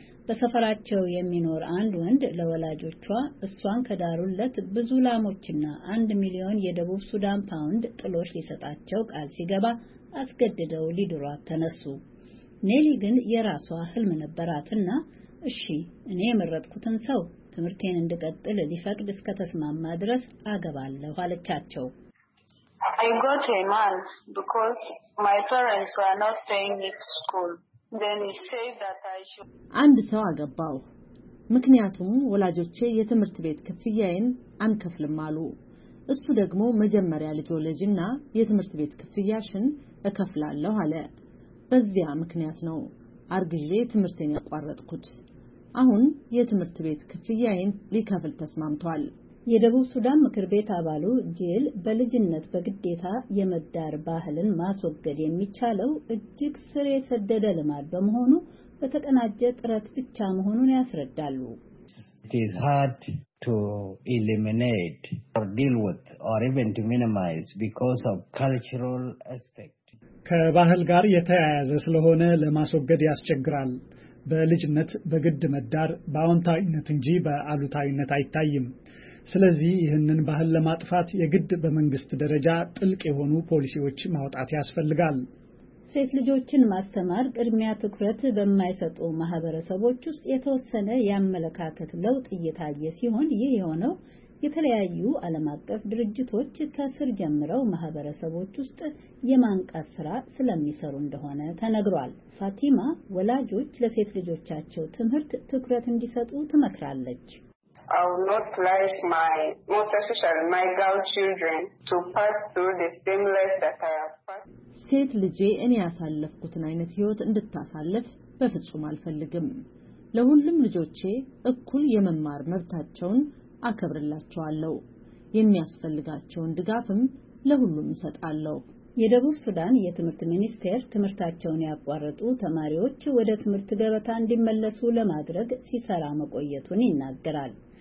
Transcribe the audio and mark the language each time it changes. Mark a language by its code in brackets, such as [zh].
[am] በሰፈራቸው የሚኖር አንድ ወንድ ለወላጆቿ እሷን ከዳሩለት ብዙ ላሞችና 1 ሚሊዮን የደቡብ ሱዳን ፓውንድ ጥሎሽ ሊሰጣቸው ቃል ሲገባ አስገድደው ሊድሯት ተነሱ። ኔሊ ግን የራሷ ህልም ነበራትና እሺ እኔ የመረጥኩትን ሰው ትምርቴን እንድቀጥል ሊፈቅድ እስከተስማማ ድረስ አገባለሁ አለቻቸው። [en] I got a man because my parents were not paying me school. Then he said that I should... [am] አንድ ሰው አገባው ምክንያቱም ወላጆቼ የትምርት ቤት ክፍያዬን አንከፍልም አሉ። እሱ ደግሞ መጀመሪያ ልጆችና የትምርት ቤት ክፍያሽን እከፍላለሁ አለ። በዚያ ምክንያት ነው አርግዤ ትምርቴን ያቋረጥኩት። አሁን የትምርት ቤት ክፍያዬን ሊከፍል ተስማምቷል። የደቡብ ሱዳን ምክር ቤት አባሉ ጂል በልጅነት በግዴታ የመዳር ባህልን ማስወገድ የሚቻለው እጅግ ስር የሰደደ ልማድ በመሆኑ በተቀናጀ ጥረት ብቻ መሆኑን ያስረዳሉ። [en] It is hard to eliminate or deal with or even to minimize because of cultural aspect. [am] ከባህል ጋር የተያያዘ ስለሆነ ለማስወገድ ያስቸግራል። በልጅነት በግድ መዳር በአውንታዊነት እንጂ በአሉታዊነት አይታይም። ስለዚህ ይህንን ባህል ለማጥፋት የግድ በመንግስት ደረጃ ጥልቅ የሆኑ ፖሊሲዎች ማውጣት ያስፈልጋል። ሴት ልጆችን ማስተማር ቅድሚያ ትኩረት በማይሰጡ ማህበረሰቦች ውስጥ የተወሰነ ያመለካከት ለውጥ እየታየ ሲሆን ይህ የሆነው የተለያዩ ዓለም አቀፍ ድርጅቶች ከስር ጀምረው ማህበረሰቦች ውስጥ የማንቃት ስራ ስለሚሰሩ እንደሆነ ተነግሯል። ፋቲማ ወላጆች ለሴት ልጆቻቸው ትምህርት ትኩረት እንዲሰጡ ትመክራለች። [en] I would not like my, most especially my girl children, to pass through the same life that I have passed. [am] ሴት ልጄ እኔ ያሳለፍኩትን አይነት ህይወት እንድታሳልፍ በፍጹም አልፈልግም። ለሁሉም ልጆቼ እኩል የመማር መብታቸውን አከብርላቸዋለሁ። የሚያስፈልጋቸውን ድጋፍም ለሁሉም እሰጣለሁ። የደቡብ ሱዳን የትምህርት ሚኒስቴር ትምርታቸውን ያቋረጡ ተማሪዎች ወደ ትምህርት ገበታ እንዲመለሱ ለማድረግ ሲሰራ መቆየቱን ይናገራል።